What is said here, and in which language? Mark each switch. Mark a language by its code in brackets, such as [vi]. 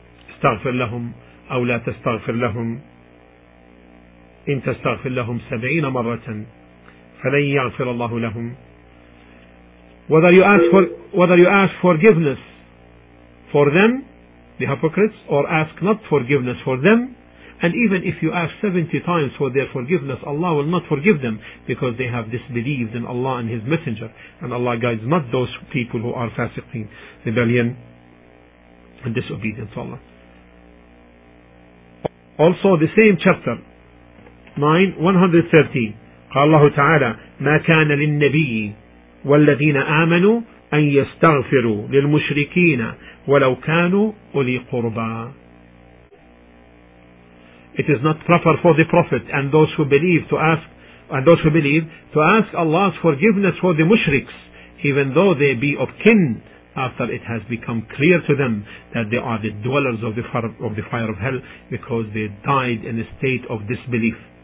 [ar] استغفر لهم أو لا تستغفر لهم، إن تستغفر لهم 70 مرة فلن يغفر الله لهم. [en] whether you ask forgiveness for them, the hypocrites, or ask not forgiveness for them, and even if you ask 70 times for their forgiveness, Allah will not forgive them because they have disbelieved in Allah and His Messenger, and Allah guides not those people who are fasiqeen, rebellion and disobedience to Allah. Also the same chapter 9:113. [ar] قال الله تعالى ما كان للنبي والذين آمنوا أن يستغفروا للمشركين ولو كانوا أولي قربى. [en] It is not proper for the Prophet and those who believe to ask Allah's forgiveness for the mushriks, even though they be of kin, after it has become clear to them that they are the dwellers of the fire of hell, because they died in a state of disbelief.